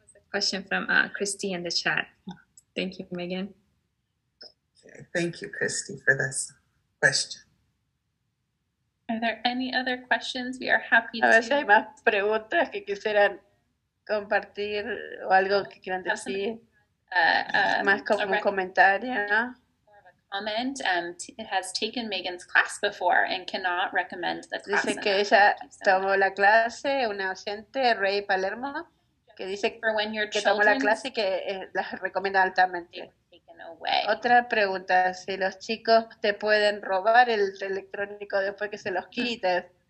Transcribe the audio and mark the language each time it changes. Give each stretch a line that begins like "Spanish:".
English: Question from Christy in the chat. Thank you, Megan. Okay, thank you, Christy, for this question. Are there any other questions? We are happy
Spanish: to. A veces hay más preguntas que quisieran compartir o algo que quieran decir. Más como un comentario.
English: Comment, it has taken Megan's class before and cannot recommend the class.
Spanish: Dice que ella tomó la clase, una oyente, Rey Palermo, que dice que tomó la clase y que la recomienda altamente. Otra pregunta, si los chicos te pueden robar el electrónico después que se los quites.